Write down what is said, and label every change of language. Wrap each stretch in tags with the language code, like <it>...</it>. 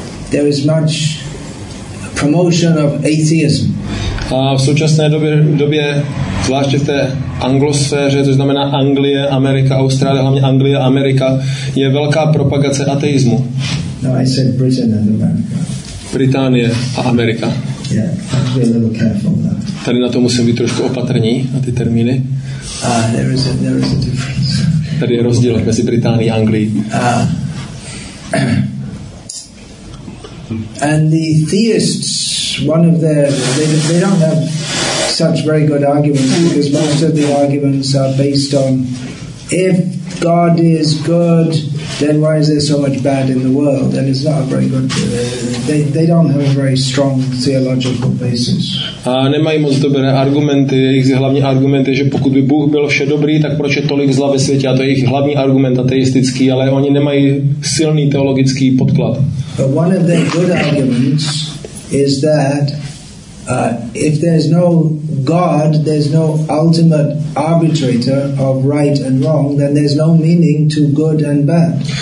<en>There is much promotion of atheism.</en> <cs>A v současné době zvláště v té anglosféře, to znamená Anglie, Amerika, Austrálie, hlavně Anglie, Amerika, je velká propagace ateismu.</cs> <en>No, I said Britain and America.</en> <cs>Británie a Amerika.</cs> <en>Yeah, I'll be a little careful now.</en> <cs>Tady na to musím být trošku opatrný, na ty termíny.</cs> <en>There is a difference.</en> <cs>Tady je rozdíl mezi Británií a Anglií.</cs> <en>And the theists, one of their, they don't have such very good arguments, because most of the arguments are based on if God is good, then why is there so much bad in the world? And it's not a very good, they don't have a very strong theological basis.</en> <cs>A nemají moc dobré argumenty, jejich hlavní argument je, že pokud by Bůh byl vše dobrý, tak proč je tolik zla ve světě? A to je jejich hlavní argument ateistický, ale oni nemají silný teologický podklad.</cs> <en>But one of the good arguments is that if there's no God, there's no ultimate arbitrator of right and wrong, then there's no meaning to good and bad.</en>